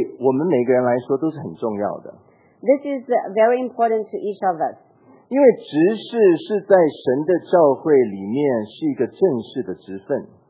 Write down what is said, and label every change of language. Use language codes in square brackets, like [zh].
[zh] 这件事情对我们每个人来说都是很重要的。 [en] This is very important to each of us. [zh] 因为执事是在神的教会里面是一个正式的职分。